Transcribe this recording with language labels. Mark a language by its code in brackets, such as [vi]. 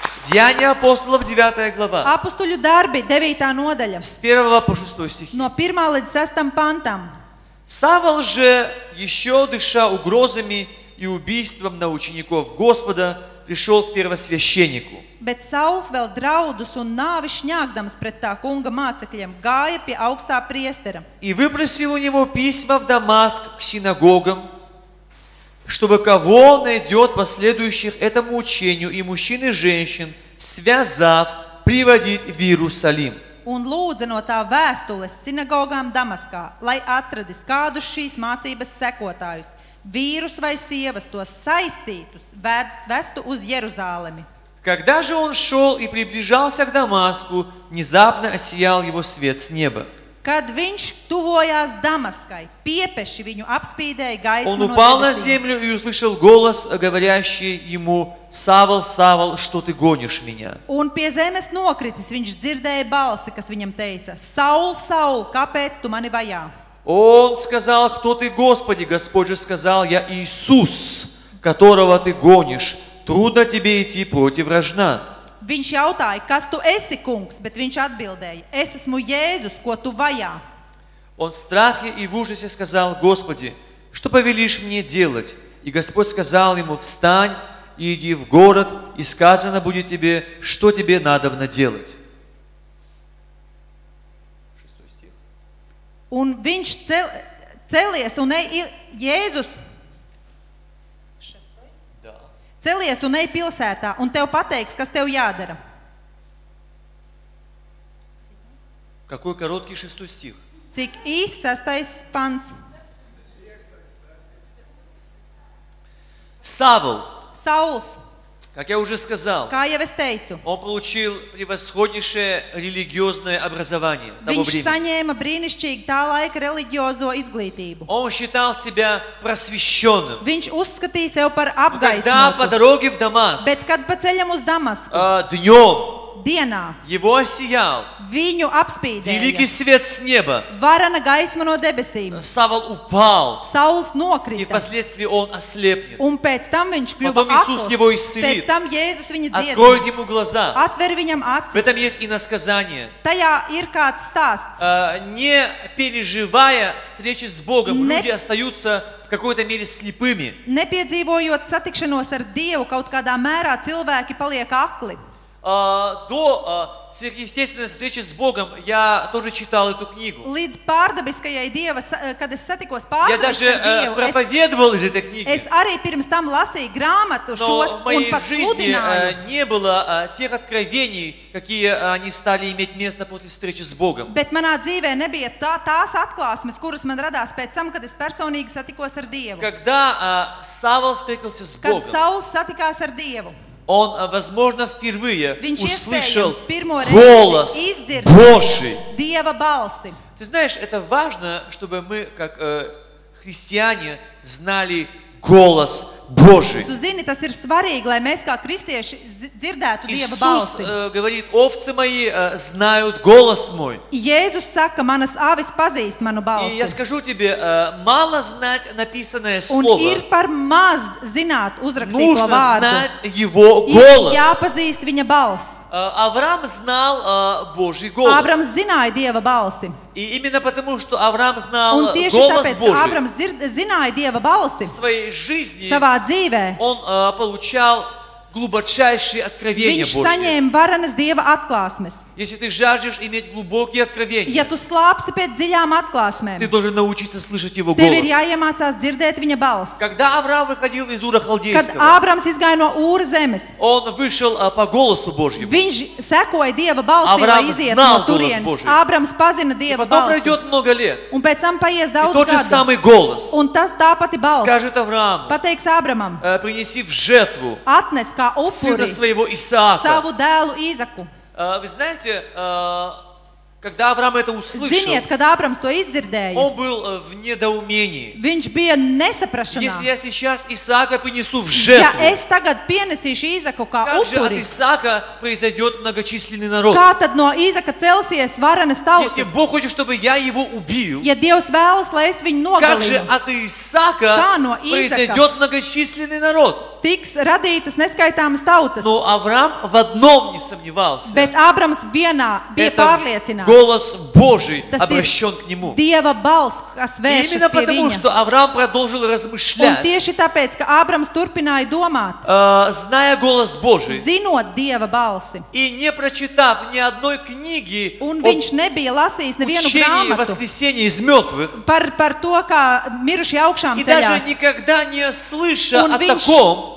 [ru] Деяния апостолов, 9 глава. [lv] Апостолю дарби, 9 nodaļa. [ru] С 1 по 6 стихи. [lv] No 1 līdz 6 pantam. [ru] Савл же, еще дыша угрозами и убийством на учеников Господа, пришел к первосвященнику. [lv] Bet Sauls vēl draudus un nāvi šņākdams pret tā kunga mācekļiem gāja pie augstā priestera. [ru] И выпросил у него письма в Дамаск к синагогам, чтобы кого найдет последующих этому учению, и мужчин и женщин, связав, приводить в Иерусалим. [lv] Un lūdza no tā vēstules sinagogām Damaskā, lai atradis kādus šīs mācības sekotājus, vīrus vai sievas, tos saistītus, vestu uz Jeruzālemi. [ru] Когда же он шел и приближался к Дамаску, внезапно осиял его свет с неба. [lv] Kad viņš tuvojās Damaskai, piepeši viņu apspīdēja gaismu no debesīm. [ru] Он упал на землю и услышал голос, говорящий ему: «Савл, Савл, что ты гонишь меня?» [lv] Un pie zemes nokritis, viņš dzirdēja balsi, kas viņam teica: «Saul, Saul, kāpēc tu mani vajā?» [ru] Он сказал: «Кто ты, Господи?» Господь же сказал: «Я Иисус, которого ты гонишь. Трудно тебе идти против вражна». [lv] Viņš jautāja, kas tu esi, kungs, bet viņš atbildēja: es esmu Jēzus, ko tu vajā. [ru] Он страхе и в ужасе сказал: Господи, что повелишь мне делать? И Господь сказал ему: встань и иди в город, и сказано будет тебе, что тебе надобно делать. Шестой стих. [lv] Un viņš celies un ej Jēzus. Celies un ej pilsētā, un tev pateiks, kas tev jādara. [ru] Какой короткий шестой стих? [lv] Cik īs sastais pants? [ru] Савл. [lv] Сауls. [ru] Как я уже сказал. [lv] Kā jau es teicu. [ru] Он получил превосходнейшее религиозное образование того времени. [lv] Viņš saņēma brīnišķīgu tā laika religiozo izglītību. [ru] Он считал себя просвещённым. [lv] Viņš uzskatīja sevi par apgaismotu. [ru] Когда по дороге в Дамаск. [lv] Bet kad pa ceļam uz Damasku. [ru] Днём. [lv] Dienā. [ru] Его осиял. [lv] Viņu apspīdēja. [ru] Великий свет с неба. [lv] Varana gaisma no debesīm. [ru] Савл упал. [lv] Сауls nokrita. [ru] И впоследствии он ослепнет. [lv] Un pēc tam viņš kļuva [ru] Потом Иисус его исцелил. [lv] Pēc tam Jēzus viņu dziedina. [ru] Откроет ему глаза. [lv] Atver viņam acis. [ru] В этом есть иносказание. [lv] Tajā ir kāds stāsts. [ru] Не переживая встречи с Богом, люди остаются в какой-то мере слепыми. [lv] Nepiedzīvojot satikšanos ar Dievu, kaut kādā mērā cilvēki paliek akli. [ru] Сверхъестественной встречи с Богом я тоже читал эту книгу. [lv] Līdz pārdabiskajai Dieva, kad es satikos pārdabiskajai [ru] Dievu, я проповедовал из этой книги. [lv] Es arī pirms tam lasīju grāmatu šo, un pat sludināju. [ru] Но в моей жизни не было тех откровений, какие они стали иметь место после встречи с Богом. [lv] Bet manā dzīvē nebija tās atklāsmes, kuras man radās pēc tam, kad es personīgi satikos ar Dievu. [ru] Когда Савл встретился с Богом. [lv] Kad Sauls satikās ar Dievu. [ru] Он, возможно, впервые [lv] viņš [ru] услышал [lv] reizi [ru] голос Божий. [lv] Dieva balsi. [ru] Ты знаешь, это важно, чтобы мы, как христиане, знали голос Божий. [lv] Tu zini, tas ir svarīgi, lai mēs kā kristieši dzirdētu Dieva balsi. [ru] Иисус говорит: "Овцы мои знают голос мой". [lv] Jēzus saka: "Manas avis pazīst manu balsi". [ru] И я скажу тебе, мало знать написанное слово. [lv] Un ir par maz zināt uzrakstīto vārdu. [ru] Нужно знать его голос. [lv] Jāpazīst viņa balsi. [ru] Авраам знал Божий голос. [lv] Авраам zināja Dieva balsi. [ru] И именно потому, что Авраам знал [lv] un tieši [ru] голос [lv] tāpēc, [ru] Божий. [lv] Авраам zināja Dieva balsi. [ru] В своей жизни [lv] savā dzīvē. [ru] Он получал глубочайшие откровения Божьи. [lv] Viņš saņēma varenas Dieva atklāsmes. [ru] Если ты жаждешь иметь глубокие откровения. [lv] Ja tu slāpsti pēc dziļām atklāsmēm. [ru] Ты должен научиться слышать его голос. [lv] Tev ir jāiemācās dzirdēt viņa balsi. [ru] Когда Авраам выходил из Ура Халдейского. [lv] Kad Ābrams izgāja no Ūra zemes. [ru] Он вышел по голосу Божьему. [lv] Viņš sekoja Dieva balsi, lai iziet no turienes. Ābrams pazina Dieva balsi. [ru] Потом пройдёт много лет. [lv] Un pēc tam paies daudz gadu. [ru] И тот же самый голос. [lv] Un tas tā pati balss. [ru] Скажет Аврааму. [lv] Pateiks Ābramam. [ru] Принеси в жертву. [lv] Atnes kā upuri. [ru] Сына своего Исаака. [lv] Savu dēlu Īzaku. [ru] Вы знаете, когда Авраам это услышал, [lv] Ziniet, kad Ābrams to izdzirdēja, [ru] он был в недоумении. [lv] Viņš bija nesaprašanā. [ru] Если я сейчас Исаака принесу в жертву, [lv] ja es tagad pienesīšu Īzaku kā [ru] как [lv] upuri, [ru] же от Исаака произойдет многочисленный народ? [lv] Kā tad no Īzaka celsies varenas tautas? [ru] Если Бог хочет, чтобы я его убил, [lv] ja Dievs vēlas, lai es viņu nogalinu, [ru] как же от Исаака [lv] no [ru] произойдет многочисленный народ? [lv] Tiks radītas neskaitāmas tautas. [ru] Но Авраам в одном не сомневался. [lv] Bet Ābrams vienā bija pārliecināts. [ru] Голос Божий обращён к нему. [lv] Dieva balss, kas vēršas pie viņa. [ru] Именно потому, что Авраам продолжил размышлять. [lv] Un tieši tāpēc, ka Ābrams turpināja domāt. [ru] Зная голос Божий. [lv] Zinot Dieva balsi. [ru] И не прочитав ни одной книги. [lv] Un viņš nebija lasījis nevienu grāmatu. [ru] Учение воскресения из мёртвых. [lv] Par to, kā miruši augšām ceļās. [ru] И даже никогда не слышал о таком.